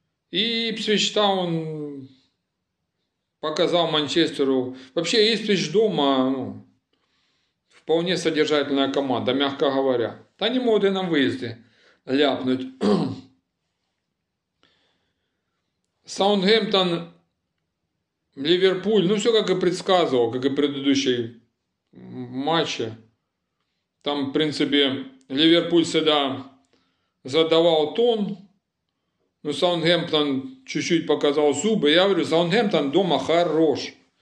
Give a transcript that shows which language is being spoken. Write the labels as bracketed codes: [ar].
[uk] І Іпсвіч Таун показав Манчестеру. [ru] Вообще, Іпсвіч дома, ну, вполне содержательная команда, мягко говоря. [uk] Та не могли на виїзді ляпнуть. [ru] Саутгемптон, Ліверпуль, ну все как и предсказывал, как и предыдущий матч. Там, в принципе, Ливерпуль всегда задавал тон. Но Саутгемптон чуть-чуть показал зубы. Я говорю, Саутгемптон дома хорош.